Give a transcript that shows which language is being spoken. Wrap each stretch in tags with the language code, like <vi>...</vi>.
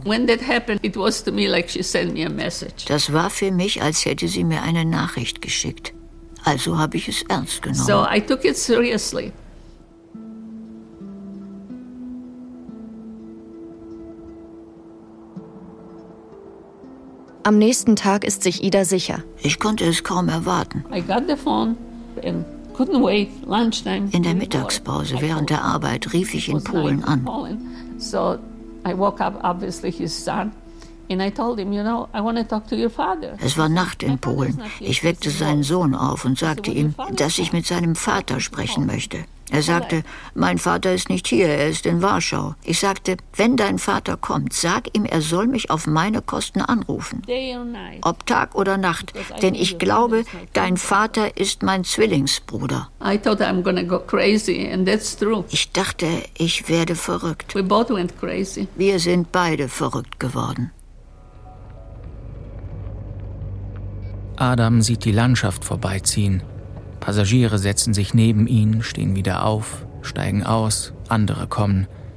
<de>Das war für mich, als hätte sie mir eine Nachricht geschickt. Also habe ich es ernst genommen.</de> <en>So I took it seriously.</en> <de>Am nächsten Tag ist sich Ida sicher. Ich konnte es kaum erwarten.</de> <en>I got the phone and couldn't wait. Lunchtime.</en> <de>In der Mittagspause während der Arbeit rief ich in Polen an.</de> <en>So I woke up obviously his son. And I told him, you know, I want to talk to your father.</en> <de>Es war Nacht in Polen. Ich weckte seinen Sohn auf und sagte ihm, dass ich mit seinem Vater sprechen möchte. Er sagte, mein Vater ist nicht hier, er ist in Warschau. Ich sagte, wenn dein Vater kommt, sag ihm, er soll mich auf meine Kosten anrufen. Ob Tag oder Nacht, denn ich glaube, dein Vater ist mein Zwillingsbruder.</de> <en>I thought I'm gonna go crazy, and that's true.</en> <de>Ich dachte, ich werde verrückt.</de> <en>We both went crazy.</en> <de>Wir sind beide verrückt geworden. Adam sieht die Landschaft vorbeiziehen. Passagiere setzen sich neben ihn, stehen wieder auf, steigen aus, andere kommen.</de>